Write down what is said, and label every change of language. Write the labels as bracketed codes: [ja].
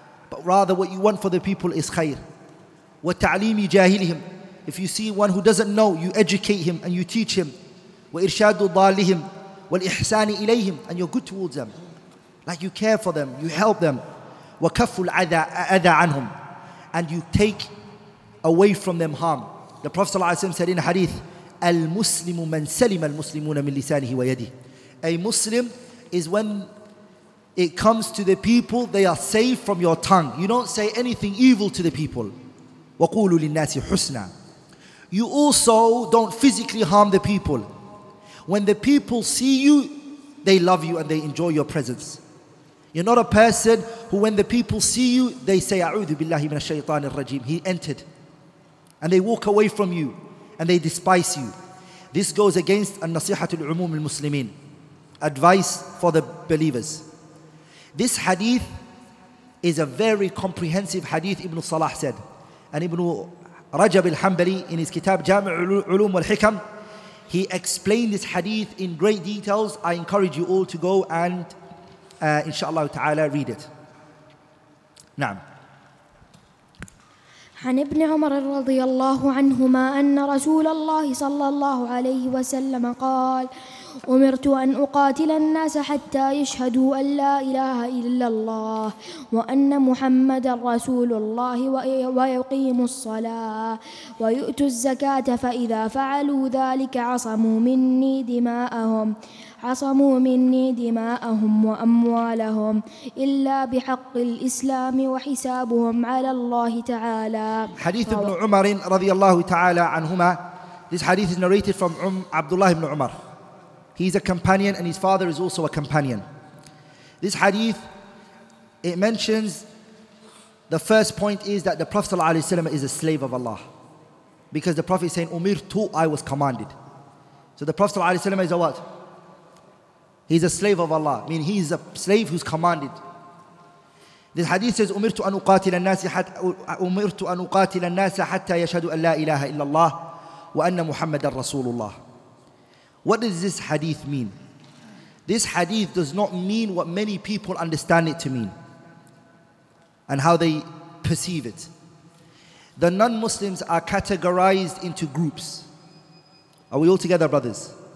[en] But rather what you want for the people is khair. [ar] وَتَعْلِيمِ جَاهِلِهِمْ, [en] if you see one who doesn't know, you educate him and you teach him. [ar] وَإِرْشَادُ ضَالِهِمْ وَالْإِحْسَانِ إِلَيْهِمْ, [en] and you're good towards them. Like you care for them, you help them. [ar] وَكَفُّ الْأَذَى عَنْهُمْ, [en] and you take away from them harm. The Prophet ﷺ said in a hadith, [ar] المسلم من سلم المسلمون من لسانه ويده. [en] A Muslim is when it comes to the people, they are safe from your tongue. You don't say anything evil to the people. [ar] وَقُولُوا لِلنَّاسِ حُسْنًا. [en] You also don't physically harm the people. When the people see you, they love you and they enjoy your presence. You're not a person who, when the people see you, they say, [ar] أَعُوذُ بِاللَّهِ مِنَ الشَّيْطَانِ الرَّجِيمِ. [en] He entered. And they walk away from you. And they despise you. This goes against an-nasihatu li'umumil muslimin, advice for the believers. This hadith is a very comprehensive hadith, Ibn Salah said. And Ibn Rajab al-Hanbali in his kitab Jami'u Ulum wal-Hikam, he explained this hadith in great details. I encourage you all to go and inshallah ta'ala read it. [ar] Naam. عن ابن عمر رضي الله عنهما أن رسول الله صلى الله عليه وسلم قال أمرت أن أقاتل الناس حتى يشهدوا أن لا إله إلا الله وأن محمد رسول الله ويقيم الصلاة ويؤت الزكاة فإذا فعلوا ذلك عصموا مني دماءهم وأموالهم إلا بحق الإسلام وحسابهم على الله تعالى. حديث ابن عمر رضي الله تعالى عنهما. [en] This hadith is narrated from Abdullah ibn Umar. He's a companion and his father is also a companion. This hadith, it mentions, the first point is that the Prophet sallallahu alaihi wasallam is a slave of Allah, because the Prophet is saying umirtu, I was commanded. So the Prophet sallallahu alaihi wasallam is a what? He's a slave of Allah. I mean, he's a slave who's commanded. This hadith says, [ar] أُمِرْتُ أَنْ أُقَاتِلَ النَّاسِ حَتَّى يَشْهَدُ أَنْ لَا إِلَهَ إِلَّا اللَّهِ وَأَنَّ مُحَمَّدًا رَسُولُ اللَّهِ. [en] What does this hadith mean? This hadith does not mean what many people understand it to mean and how they perceive it. The non-Muslims are categorized into groups. Are we all together, brothers?